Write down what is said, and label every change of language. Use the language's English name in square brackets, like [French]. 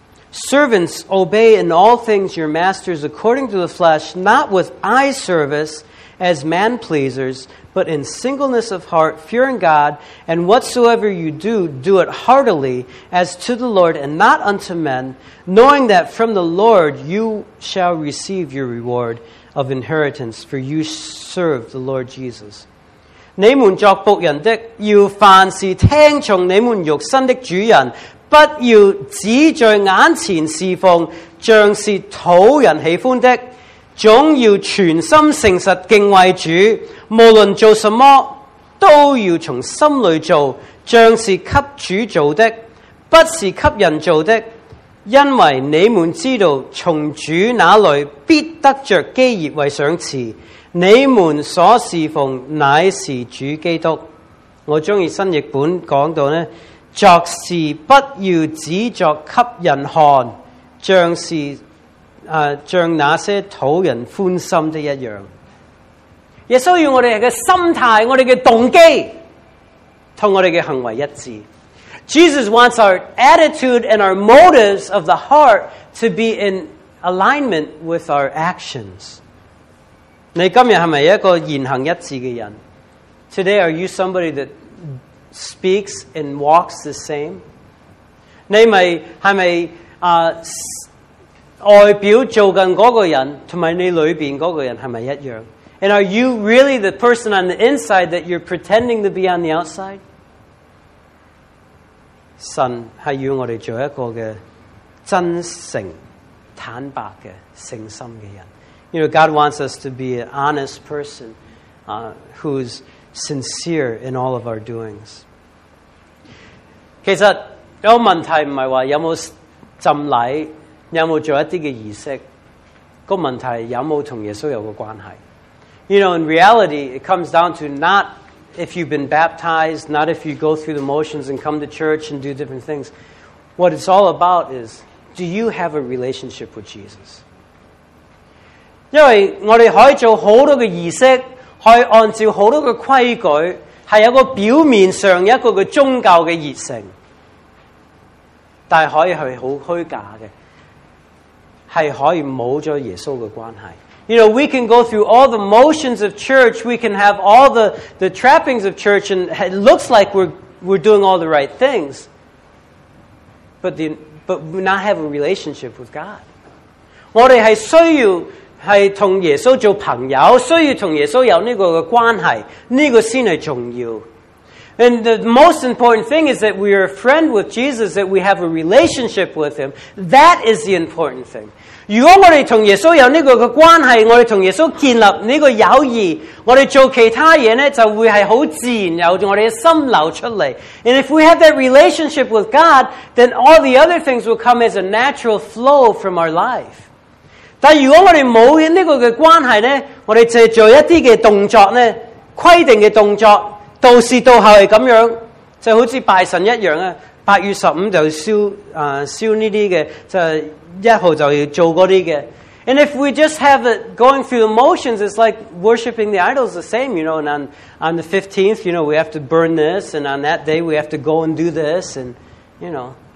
[English] Servants, obey in all things your masters according to the flesh, not with eye service as man pleasers, but in singleness of heart, fearing God, and whatsoever you do, do it heartily as to the Lord and not unto men, knowing that from the Lord you shall receive your reward of inheritance, for you serve the Lord Jesus. [Chinese] 你们作仆人的，要凡事听从你们肉身的主人，不要只在眼前侍奉，像是讨人喜欢的，总要全心诚实敬畏主，无论做什么，都要从心里做，像是给主做的，不是给人做的。因为你们知道从主那里必得着基业为赏赐，你们所侍奉乃是主基督。我喜欢新译本讲到呢，作事不要只作给人看，像是像那些讨人欢心的一样。耶稣要我们的心态、我们的动机和我们的行为一致。 [English] Jesus wants our attitude and our motives of the heart to be in alignment with our actions. [Chinese] 你今天是不是一个言行一致的人? [English] Today, are you somebody that speaks and walks the same? [Chinese] 你是不是外表做的那个人和你里面那个人是不是一样? [English] And are you really the person on the inside that you're pretending to be on the outside? [Chinese] 神是要我们做一个的真诚、坦白的、诚心的人。 [English] You know, God wants us to be an honest person, who's sincere in all of our doings. [Chinese] 其实有个问题不是说有没有浸礼，有没有做一些的仪式，那个问题有没有跟耶稣有个关系。 [English] You know, in reality, it comes down to not... if you've been baptized, not if you go through the motions and come to church and do different things. What it's all about is, do you have a relationship with Jesus? [Chinese] 因为我们可以做很多的仪式，可以按照很多的规矩，是有一个表面上一个宗教的热诚，但可以是很虚假的，是可以没有耶稣的关系。 [English] You know, we can go through all the motions of church. We can have all the trappings of church, and it looks like we're doing all the right things. But we're not having a relationship with God. [Chinese] 我们是需要是跟耶稣做朋友，需要跟耶稣有这个的关系，这个才是重要。 [English] And the most important thing is that we are a friend with Jesus, that we have a relationship with Him. That is the important thing. [Chinese] 如果我们跟耶稣有这个的关系，我们跟耶稣建立这个友谊，我们做其他事呢，就会是很自然，由我们的心流出来。 [English] And if we have that relationship with God, then all the other things will come as a natural flow from our life. [Chinese] 但如果我们没有这个的关系呢，我们只做一些的动作呢，规定的动作，到时到后是这样，就好像拜神一样，八月十五就烧这些的，就一号就要做那些的。 [English] And if we just have it going through the motions, it's like worshiping the idols the same, you know, and on the 15th, you know, we have to burn this, and on that day, we have to go and do this, and, you know.